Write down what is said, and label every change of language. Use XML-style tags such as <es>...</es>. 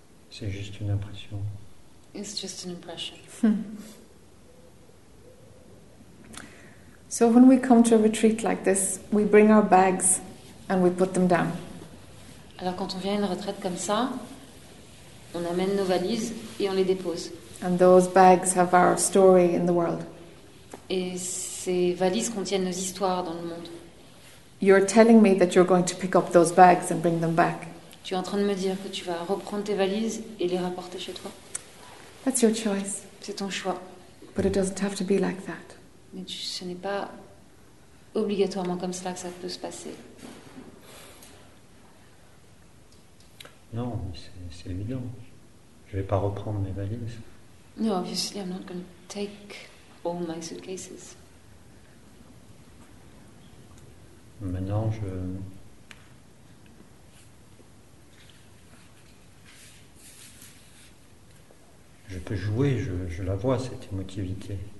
<fr>c'est juste une impression.</fr> <en>It's just an impression. So when we come to a retreat like this, we bring our bags and we put them down.</en> <fr>Alors quand on vient à une retraite comme ça, on amène nos valises et on les dépose.</fr> <en>And those bags have our story in the world.</en> <fr>Et ces valises contiennent nos histoires dans le monde.</fr> <en>You're telling me that you're going to pick up those bags and bring them back.</en> <fr>Tu es en train de me dire que tu vas reprendre tes valises et les rapporter chez toi.</fr> <en>That's your choice.</en> <fr>C'est ton choix.</fr> <en>But it doesn't have to be like that.</en> <fr>Mais ce n'est pas obligatoirement comme cela que ça peut se passer. Non, c'est évident. Je ne vais pas reprendre mes valises.</fr> <en>No, obviously I'm not going to take all my suitcases.</en> <fr>Maintenant, je peux jouer, je la vois, cette émotivité.</fr>